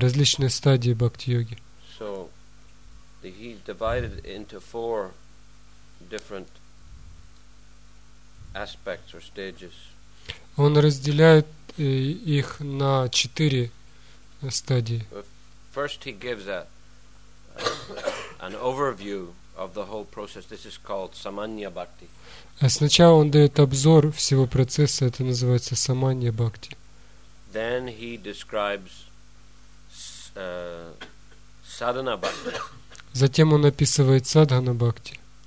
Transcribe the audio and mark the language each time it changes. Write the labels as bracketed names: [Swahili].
[Russian] Различные стадии бхакти йоги. [English] So, he divided into four different aspects or stages. [Russian] Он разделяет их на четыре стадии. [English] First, he gives an overview of the whole process. This is called samanya bhakti. [Russian] Сначала он дает обзор всего процесса. Это называется самания бхакти. [English] Then he describes sadhana bhakti. [Russian] Затем он описывает садхана бхакти.